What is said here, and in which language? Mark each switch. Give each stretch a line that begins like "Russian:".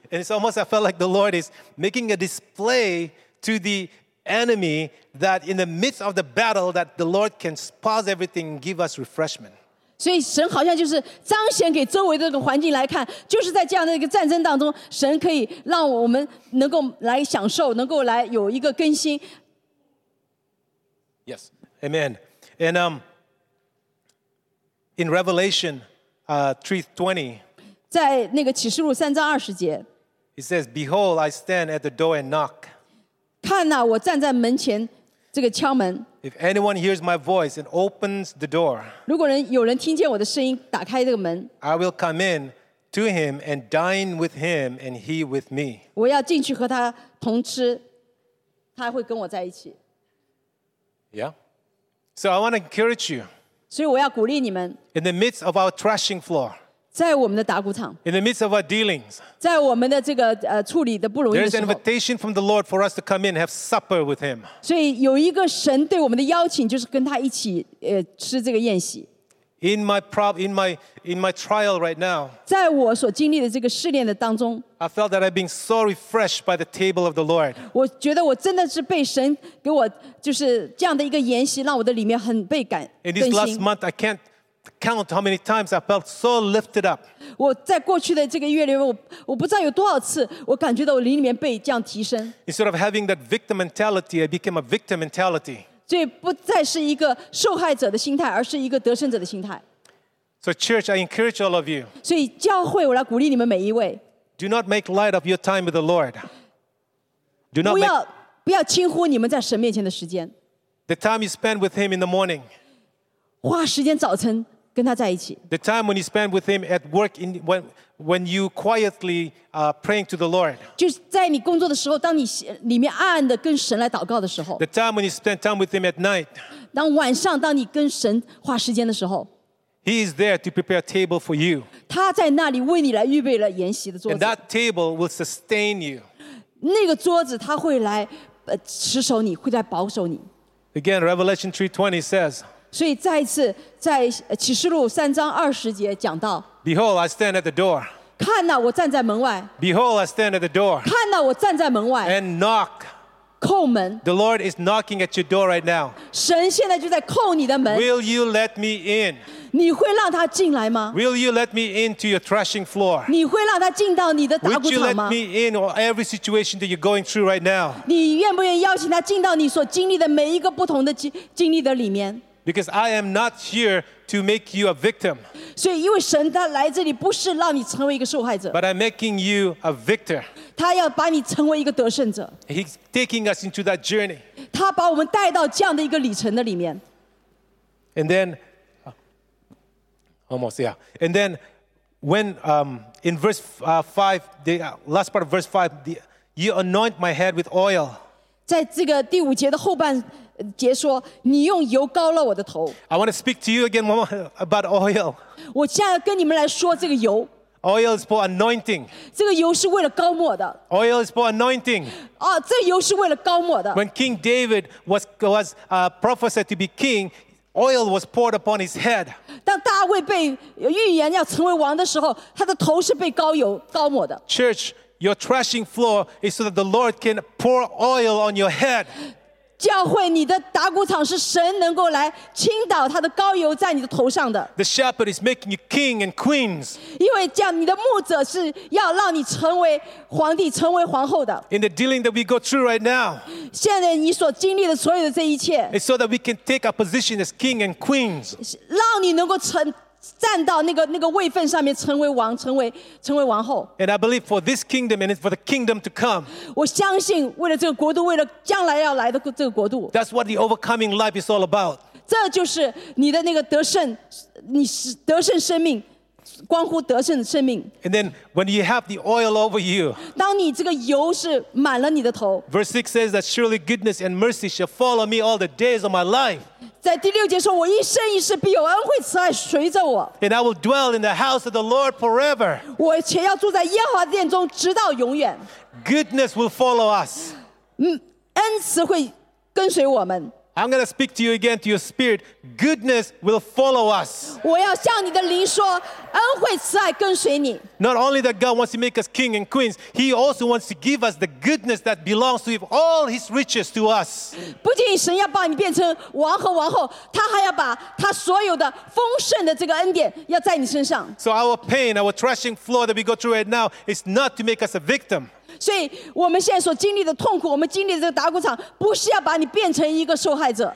English: And it's almost, I felt like the Lord is making a display to the enemy that in the midst of the battle that the Lord can pause everything and give us refreshment.
Chinese: 所以神好像就是彰显给周围的这个环境来看，就是在这样的一个战争当中，神可以让我们能够来享受，能够来有一个更新。
English: Yes, amen. And in Revelation 3:20,
Chinese: 在那个启示录三章二十节
English: ，It says, "Behold, I stand at the door and knock."
Chinese: 看呐、啊，我站在门前。这个敲门。
English: If anyone hears my voice and opens the door,
Chinese: 如果有人听见我的声音，打开这个门。
English: I will come in to him and dine with him, and he with me.
Chinese: 我要进去和他同吃，他会跟我在一起。
English: Yeah. So I want to encourage you.
Chinese: 所以我要鼓励你们。
English: In the midst of our threshing floor,
Chinese: 在我们的打谷场。
English: In the midst of our dealings,
Chinese: 在我们的这个处理的不容易的时候。
English: There is an invitation from the Lord for us to come in and have supper with him.
Chinese: 所以有一个神对我们的邀请，就是跟他一起吃这个宴席。
English: In my trial right now,
Chinese: 在我所经历的这个试炼的当中，
English: I felt that I've been so refreshed by the table of the Lord.
Chinese: 我觉得我真的是被神给我就是这样的一个筵席，让我的里面很被感更新。
English: In this last month, I can't count how many times I felt so lifted up.
Chinese: 我在过去的这个月里面，我不知道有多少次，我感觉到我灵里面被这样提升。
English: Instead of having that victim mentality, I became a victim mentality.
Chinese: 所以不再是一个受害者的心态，而是一个得胜者的心态。
English: So church, I encourage all of you.
Chinese: 所以教会，我来鼓励你们每一位。
English: Do not make light of your time with the Lord. Do not
Chinese: 不要轻忽你们在神面前的时间。
English: The time you spend with Him in the morning.
Chinese: 花时间早晨。
English: The time when you spend with him at work, when you quietly praying to the Lord.
Chinese: 就是在你工作的时候，当你里面暗暗的跟神来祷告的时候。
English: The time when you spend time with him at night.
Chinese: 当晚上，当你跟神花时间的时候。
English: He is there to prepare a table for you.
Chinese: 他在那里为你来预备了筵席的桌子。
English: And that table will sustain you.
Chinese: 那个桌子他会来持守你，会来保守你。
English: Again, Revelation 3:20 says.
Chinese: 所以再一次在启示录三章二十节讲到
English: Behold, I stand at the door.
Chinese: 看哪、啊、我站在门外
English: Behold, I stand at the door.
Chinese: 看哪、啊、我站在门外
English: And knock.
Chinese: 叩门
English: The Lord is knocking at your door right now.
Chinese: 神现在就在叩你的门
English: Will you let me in?
Chinese: 你会让他进来吗
English: Will you let me into your threshing floor?
Chinese: 你会让他进到你的打谷场吗
English: Would you let me in on every situation that you're going through right now?
Chinese: 你愿不愿意邀请他进到你所经历的每一个不同的经历的里面
English: Because I am not here to make you a victim.
Chinese: 所以因为神他来这里不是让你成为一个受害者。
English: But I'm making you a victor.
Chinese: 他要把你成为一个得胜者。
English: He's taking us into that journey.
Chinese: 他把我们带到这样的一个旅程的里面。
English: And then, almost, yeah. And then, when in verse 5, the last part of verse 5, you anoint my head with oil.
Chinese: 在这个第五节的后半节说，你用油膏了我的头。
English: I want to speak to you again one more about oil.
Chinese: 我现在跟你们来说这个油。
English: Oil is for anointing.
Chinese: 这个油是为了膏抹的。
English: Oil is for anointing.
Chinese: 啊，这个油是为了膏抹的。
English: When King David was prophesied to be king, oil was poured upon his head.
Chinese: 当大卫被预言要成为王的时候，他的头是被膏油膏抹的。
English: Church. Your threshing floor is so that the Lord can pour oil on your head.
Chinese: 教会你的打谷场是神能够来倾倒他的膏油在你的头上的。
English: The shepherd is making you king and queens.
Chinese: 因为这样，你的牧者是要让你成为皇帝、成为皇后的。
English: In the dealing that we go through right now.
Chinese: 现在你所经历的所有的这一切。
English: It's so that we can take our position as king and queens.
Chinese: 让你能够成。站到那个位份上面，成为王，成为王后。
English: And I believe for this kingdom and for the kingdom to come.
Chinese: 我相信为了这个国度，为了将来要来的这个国度。
English: That's what the overcoming life is all about.
Chinese: 这就是你的那个得胜，你是得胜生命，关乎得胜的生命。
English: And then when you have the oil over you.
Chinese: 当你这个油是满了你的头。
English: Verse 6 says that surely goodness and mercy shall follow me all the days of my life.
Chinese: 在第六节说，我一生一世必有恩惠慈爱随着我。
English: And I will dwell in the house of the Lord forever.
Chinese: 我且要住在耶和华殿中直到永远。
English: Goodness will follow us.
Chinese: 恩慈会跟随我们。
English: I'm going to speak to you again to your spirit. Goodness will follow us.
Chinese: 我要向你的灵说，恩惠慈爱跟随你。
English: Not only that God wants to make us king and queens, He also wants to give us the goodness that belongs to all His riches to us.
Chinese: 不仅神要把你变成王和王后，他还要把他所有的丰盛的这个恩典要在你身上。
English: So our pain, our threshing floor that we go through right now is not to make us a victim.
Chinese: 所以我们现在所经历的痛苦，我们经历的这个打谷场，不是要把你变成一个受害者。